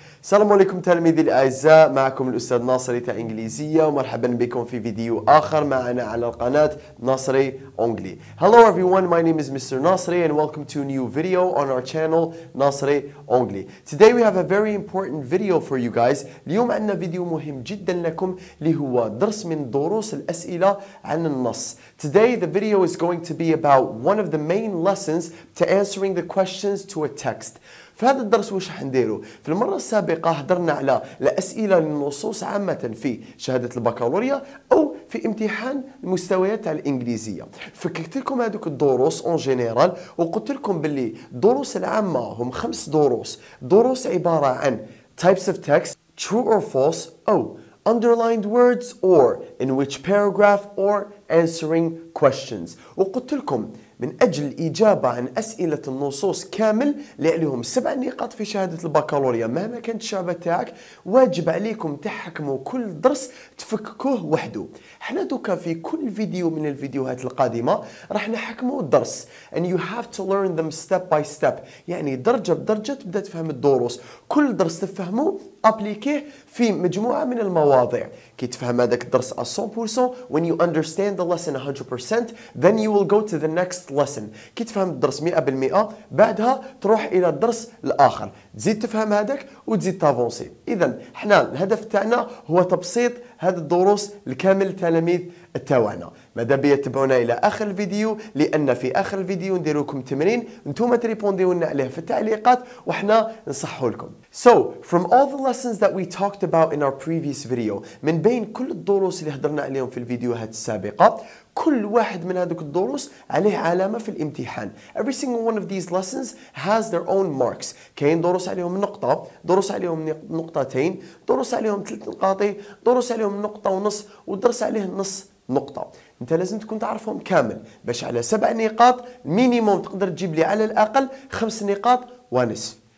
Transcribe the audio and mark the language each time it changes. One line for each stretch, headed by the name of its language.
Arabic: السلام عليكم تلاميذي الأعزاء، معكم الأستاذ ناصري تاع إنجليزية، ومرحبا بكم في فيديو آخر معنا على القناة ناصري أونجلي.
English: Hello everyone, my name is Mr. Nasri and welcome to a new video on our channel ناصري أونجلي. Today we have a very important video for you guys.
Arabic: اليوم عندنا فيديو مهم جدا لكم اللي هو درس من دروس الأسئلة عن النص.
English: Today the video is going to be about one of the main lessons to answering the questions to a text.
Arabic: في هذا الدرس وش حنديرو؟ في المرة السابقة هدرنا على الأسئلة للنصوص عامة في شهادة البكالوريا أو في امتحان المستويات الإنجليزية. فككت لكم هذوك الدروس اون جينيرال، وقلت لكم باللي دروس العامة هم خمس دروس. دروس عبارة عن types of text, true or false, أو underlined words, or in which paragraph, or answering questions. وقلت لكم من أجل الإجابة عن أسئلة النصوص كامل لهم 7 نقاط في شهادة البكالوريا، مهما كانت الشعبة تاعك واجب عليكم تحكموا كل درس تفككوه وحده. احنا دوكا في كل فيديو من الفيديوهات القادمة راح نحكموا الدرس
English: and you have to learn them step by step،
Arabic: يعني درجة بدرجة تبدأ تفهم الدروس. كل درس تفهمه أبليكيه في مجموعة من المواضيع. كي تفهم هذاك الدرس 100%
English: when you understand the lesson 100% then you will go to the next lesson.
Arabic: كي تفهم الدرس 100% بعدها تروح إلى الدرس الآخر، تزيد تفهم هذاك وتزيد تافونسي. إذن احنا الهدف تاعنا هو تبسيط هذا الدروس الكامل تلاميذ التوانا. ماذا بيا تبعونا إلى آخر الفيديو، لأن في آخر الفيديو ندير لكم تمرين أنتم تريبونديو لنا عليه في التعليقات وإحنا نصحوا لكم.
English: So from all the lessons that we talked about in our previous video،
Arabic: من بين كل الدروس اللي هدرنا عليهم في الفيديوهات السابقة، كل واحد من هذوك الدروس عليه علامة في الامتحان.
English: Every single one of these lessons has their own marks.
Arabic: كاين دروس عليهم نقطة، دروس عليهم نقطتين، دروس عليهم 3 نقاط، دروس عليهم نقطة ونص، ودرس عليه نص نقطة. انت لازم تكون تعرفهم كامل باش على 7 نقاط مينيموم تقدر تجيب لي على الأقل 5 نقاط ونصف.